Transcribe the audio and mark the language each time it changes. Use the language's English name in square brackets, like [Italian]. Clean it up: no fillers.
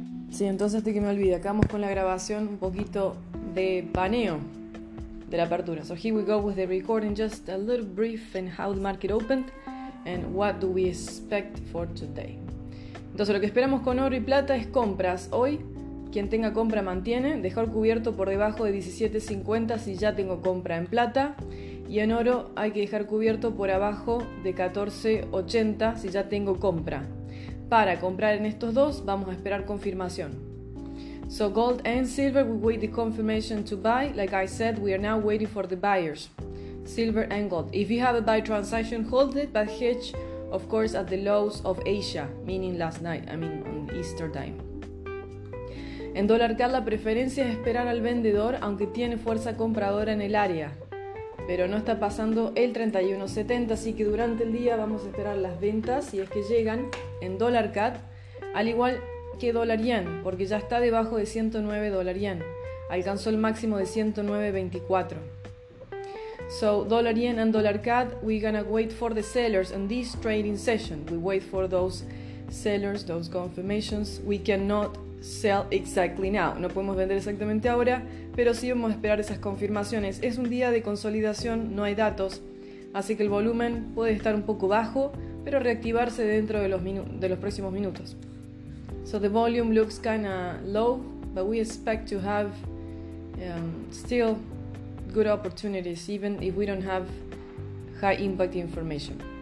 [Spanish] Sí, entonces de que me olvide, acabamos con la grabación un poquito de paneo de la apertura. [English] So here we go with the recording, just a little brief and how the market opened and what do we expect for today. [Spanish] Entonces lo que esperamos con oro y plata es compras hoy. Quien tenga compra mantiene, dejar cubierto por debajo de 17.50 si ya tengo compra en plata. Y en oro hay que dejar cubierto por abajo de 14.80 si ya tengo compra. Para comprar en estos dos, vamos a esperar confirmación. [English] So gold and silver, we wait the confirmation to buy. Like I said, we are now waiting for the buyers. Silver and gold. If you have a buy transaction, hold it, but hedge, of course, at the lows of Asia, meaning last night, I mean on Easter time. [Spanish] En dólar CAD, la preferencia es esperar al vendedor, aunque tiene fuerza compradora en el área. Pero no está pasando el 31.70, así que durante el día vamos a esperar las ventas, si es que llegan, en dólar CAD, al igual que dólar yen, porque ya está debajo de 109 dólar yen. Alcanzó el máximo de 109.24. [English] So, dólar yen and dólar CAD, we're gonna wait for the sellers in this trading session. We wait for those sellers, those confirmations. We cannot sell exactly now. [Spanish] No podemos vender exactamente ahora, pero sí vamos a esperar esas confirmaciones. Es un día de consolidación, no hay datos, así que el volumen puede estar un poco bajo, pero reactivarse dentro de los próximos minutos. [English] So the volume looks kind of low, but we expect to have still good opportunities, even if we don't have high impact information.